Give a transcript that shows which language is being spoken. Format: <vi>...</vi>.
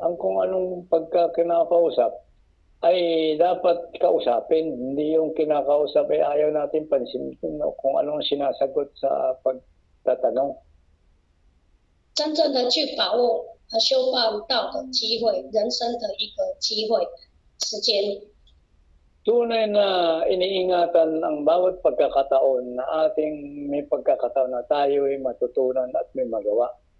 <tl>Ang kung anong pagka kinakausap ay dapat kausapin, hindi yung kinakausap ay ayaw natin pansinin kung anong sinasagot sa pagtatanong.</tl> <zh>真正的去把握修道的机会，人生的一个机会，时间。</zh> <tl>Tunay na iniingatan ang bawat pagkakataon na ating may pagkakataon na tayo ay matutunan at may magawa.</tl>